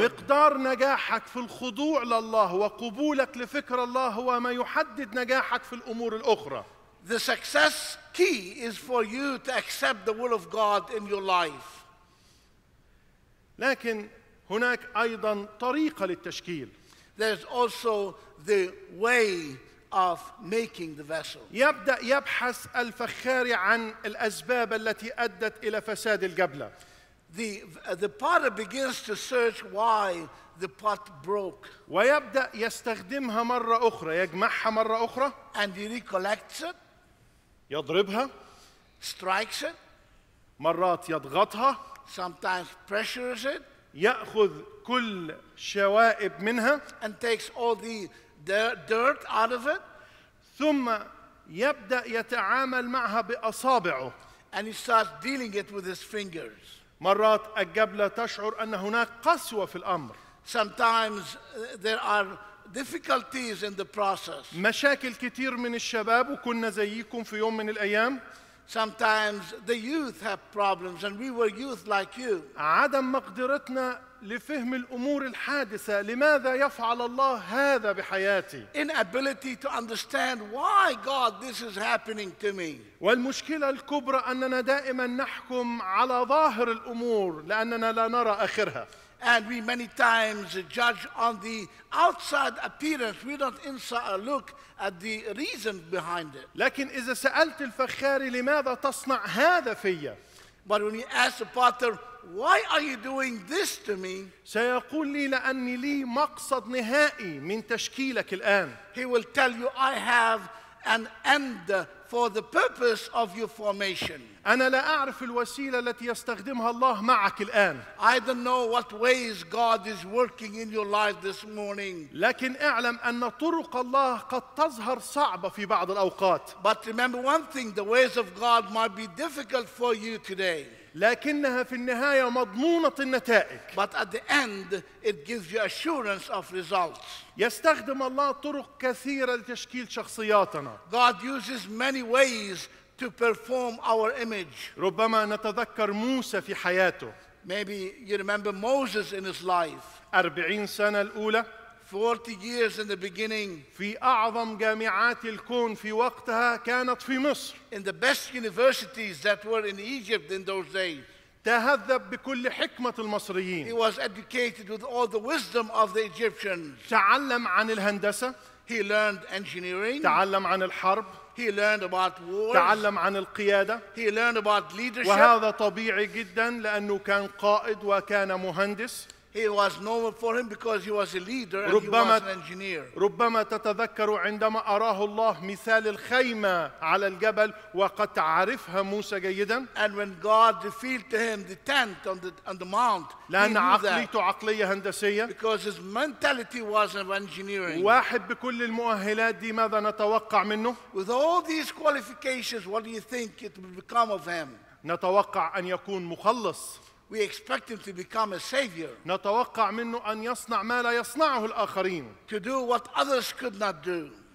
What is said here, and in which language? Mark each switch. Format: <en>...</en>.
<ar>مقدار نجاحك في الخضوع لله وقبولك لفكر الله هو ما يحدد نجاحك في الأمور الأخرى.</ar> <en>The success key is for you to accept the will of God in your life.</en> <ar>لكن هناك أيضا طريقة للتشكيل.</ar> <en>There's also the way of making the vessel.</en> <ar>يبدأ يبحث الفخاري عن الأسباب التي أدت إلى فساد القبلة.</ar> <en>The potter begins to search why the pot broke.</en> <ar>ويبدأ يستخدمها مرة أخرى، يجمعها مرة أخرى.</ar> <en>And he recollects it.</en> <ar>يضربها.</ar> <en>Strikes it.</en> <ar>مرات يضغطها.</ar> <en>Sometimes pressures it.</en> <ar>يأخذ كل شوائب منها.</ar> <en>And takes all the dirt out of it.</en> <ar>ثم يبدأ يتعامل معها بأصابعه.</ar> <en>And he starts dealing it with his fingers.</en> <ar>مرات القبلة تشعر أن هناك قسوة في الأمر.</ar> <en>Sometimes there are difficulties in the process.</en> <ar>مشاكل كتير من الشباب وكنا زيكم في يوم من الأيام.</ar> <en>Sometimes the youth have problems and we were youth like you.</en> <ar>عدم مقدرتنا لفهم الأمور الحادثة، لماذا يفعل الله هذا بحياتي؟</ar> <en>Inability to understand why God this is happening to me.</en> <ar>والمشكلة الكبرى أننا دائما نحكم على ظاهر الأمور لأننا لا نرى آخرها.</ar> <en>And we many times judge on the outside appearance. We don't inside look at the reason behind it.</en> <ar>لكن إذا سألت الفخاري لماذا تصنع هذا فيا؟</ar> <en>But when you ask the potter, why are you doing this to me?</en> <ar>سيقول لي لأني لي مقصد نهائي من تشكيلك الآن.</ar> <en>He will tell you, I have an end for the purpose of your formation.</en> <ar>أنا لا أعرف الوسيلة التي يستخدمها الله معك الآن.</ar> <en>I don't know what ways God is working in your life this morning.</en> <ar>لكن اعلم أن طرق الله قد تظهر صعبة في بعض الأوقات.</ar> <en>But remember one thing, the ways of God might be difficult for you today.</en> <ar>لكنها في النهاية مضمونة النتائج.</ar> <en>But at the end, it gives you assurance of results.</en> <ar>يستخدم الله طرق كثيرة لتشكيل شخصياتنا.</ar> <en>God uses many ways to perform our image.</en> <ar>ربما نتذكر موسى في حياته.</ar> <en>Maybe you remember Moses in his life.</en> <ar>40 سنة الأولى.</ar> <en>40 years in the beginning.</en> <ar>في أعظم جامعات الكون في وقتها كانت في مصر.</ar> <en>In the best universities that were in Egypt in those days.</en> <ar>تهذب بكل حكمة المصريين.</ar> <en>He was educated with all the wisdom of the Egyptians.</en> <ar>تعلم عن الهندسة.</ar> <en>He learned engineering.</en> <ar>تعلم عن الحرب.</ar> <en>He learned about war.</en> <ar>تعلم عن القيادة.</ar> <en>He learned about leadership.</en> <ar>وهذا طبيعي جدا لأنه كان قائد وكان مهندس.</ar> <en>He was known for him because he was a leader and</en> <ar>ربما,</ar> <en>he was an engineer.</en> <ar>ربما تتذكر عندما أراه الله مثال الخيمة على الجبل وقد تعرفها موسى جيدا.</ar> <en>And when God revealed to him the tent on the mount,</en> <ar>لأن عقليته عقلية هندسية.</ar> <en>Because his mentality was of engineering.</en> <ar>واحد بكل المؤهلات دي ماذا نتوقع منه؟</ar> <en>With all these qualifications, what do you think it will become of him?</en> <ar>نتوقع أن يكون مخلص.</ar> <en>We expect him to become a savior.</en> <ar>نتوقع منه أن يصنع ما لا يصنعه الآخرين.</ar> <en>To do what others could not do.</en>